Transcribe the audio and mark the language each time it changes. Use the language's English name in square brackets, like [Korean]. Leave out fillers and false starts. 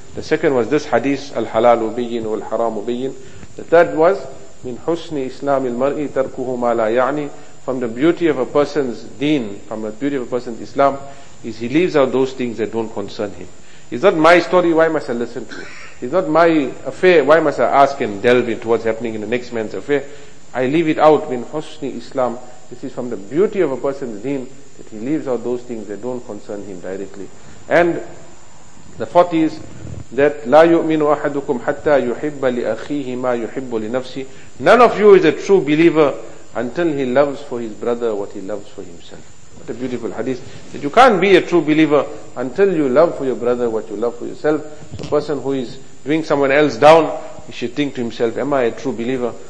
[English] The second was this hadith, [Arabic] al-halalu bayyin wal-haramu bayyin. [English] The third was, [Arabic] min husni islamil mar'i tarkuhu ma la ya'ni, [English] from the beauty of a person's deen, from the beauty of a person's Islam, is he leaves out those things that don't concern him. It's not my story, why must I listen to it? It's not my affair, why must I ask and delve into what's happening in the next man's affair? I leave it out, [Arabic] min husni Islam. [English] This is from the beauty of a person's deen, that he leaves out those things that don't concern him directly. And the fourth is that [Arabic] لا يؤمن أحدكم حتى يحب لأخيه ما يحب لنفسه. [English] None of you is a true believer until he loves for his brother what he loves for himself. What a beautiful hadith. That you can't be a true believer until you love for your brother what you love for yourself. So a person who is doing someone else down, he should think to himself, am I a true believer?